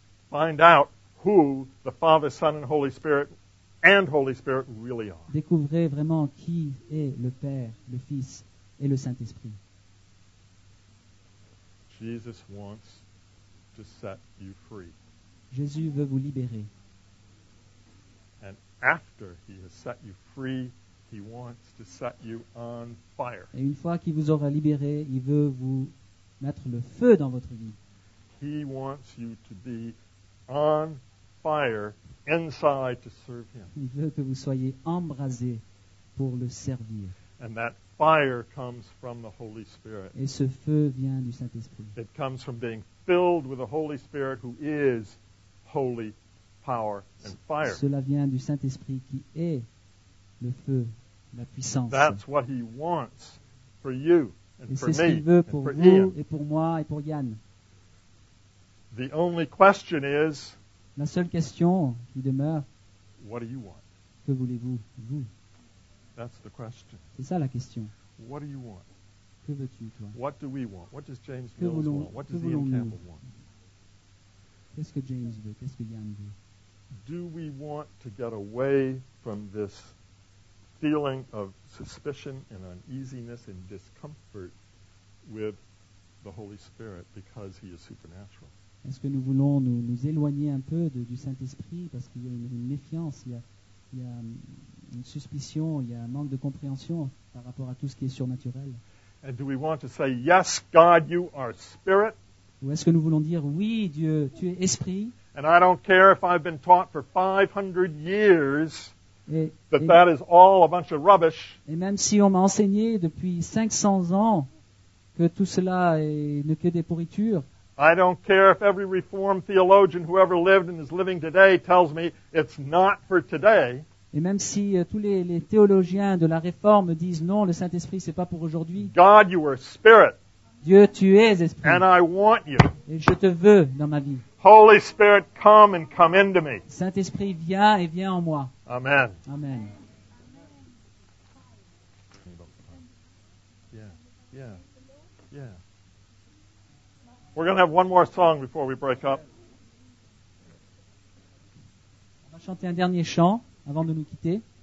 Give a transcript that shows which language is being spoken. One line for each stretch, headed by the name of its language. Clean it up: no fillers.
English: Find out who the Father, Son, and Holy Spirit and Holy Spirit really are.
French: Découvrez vraiment qui est le Père, le Fils et le Saint-Esprit.
English: Jesus wants to set you free.
French: Jésus veut vous libérer.
English: And after he has set you free, he wants to set you on fire.
French: Et une fois qu'il vous aura libéré, il veut vous mettre le feu dans votre vie.
English: He wants you to be on fire inside to serve him.
French: Il veut que vous soyez embrasé pour le servir.
English: And that fire comes from the Holy Spirit.
French: Et ce feu vient du Saint-Esprit.
English: It comes from being filled with the Holy Spirit who is holy power and fire.
French: Cela vient du Saint-Esprit qui est le feu, la puissance.
English: That's what he wants for you and
French: et c'est
English: for
French: ce qu'il veut pour vous et pour moi et pour Yann.
English: The only question is,
French: la seule question qui demeure,
English: what do you want?
French: Que voulez-vous, vous?
English: That's the question.
French: C'est ça la question.
English: What do you want?
French: Que veux-tu, toi?
English: What do we want? What does James Mills want? What does Ian Campbell want?
French: Qu'est-ce que James veut? Qu'est-ce que Yann veut?
English: Do we want to get away from this feeling of suspicion and uneasiness and discomfort with the Holy Spirit because he is supernatural?
French: Est-ce que nous voulons nous éloigner un peu du Saint-Esprit parce qu'il y a une méfiance, il y a une suspicion, il y a un manque de compréhension par rapport à tout ce qui est surnaturel?
English: And do we want to say, yes, God, you are spirit?
French: Ou est-ce que nous voulons dire, oui, Dieu, tu es esprit?
English: And I don't care if I've been taught for 500 years that is all a bunch of rubbish.
French: Et même si on m'a enseigné depuis 500 ans que tout cela n'est que des pourritures,
English: I don't care if every Reformed theologian who ever lived and is living today tells me it's not for today.
French: Et même si tous les théologiens de la Réforme disent non, le Saint-Esprit c'est pas pour aujourd'hui.
English: God, you are spirit.
French: Dieu, tu es esprit.
English: And I want you.
French: Et je te veux dans ma vie.
English: Holy Spirit, come and come into me.
French: Saint-Esprit, viens et viens en moi.
English: Amen.
French: Amen.
English: We're going to have one more song before we break up.
French: On va chanter un dernier chant avant de nous quitter.